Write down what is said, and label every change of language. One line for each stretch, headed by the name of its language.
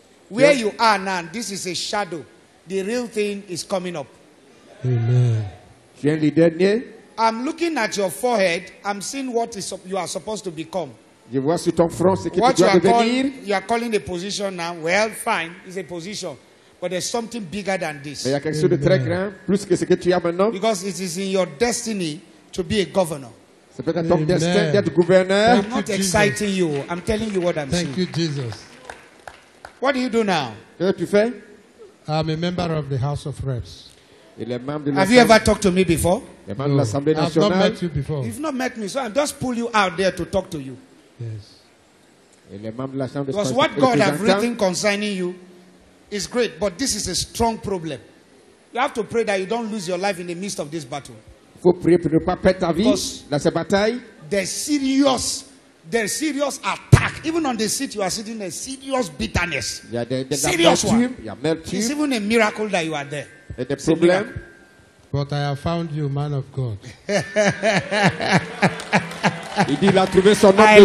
English: Where you are now, this is a shadow. The real thing is coming up. Amen. I'm looking at your forehead. I'm seeing what is you are supposed to become.
French: Je vois sur ton front, ce
English: what
French: tu
English: you,
French: dois
English: are calling, you are calling a position now. Well, fine. It's a position. But there's something bigger than this.
French: Il y a quelque chose de très grand, plus que ce que tu as maintenant.
English: Because it is in your destiny to be a governor.
French: C'est ton destin d'être gouverneur.
English: I'm not exciting you. I'm telling you what I'm Thank seeing. Thank you, Jesus. What do you do now? I'm a member of the House of Reps. Have you ever talked to me before? No. I've not met you before. You've not met me, so I just pull you out there to talk to you. Yes. Because what God has written concerning you is great, but this is a strong problem. You have to pray that you don't lose your life in the midst of this battle.
French: Faut prier pour ne pas perdre ta vie dans cette bataille.
English: There's serious attack. Even on the seat you are sitting, there's serious bitterness. Yeah, serious one. It's even a miracle that you are there. Et the problem. But I have found you, man of God.
French: Il dit, il a trouvé son homme
English: I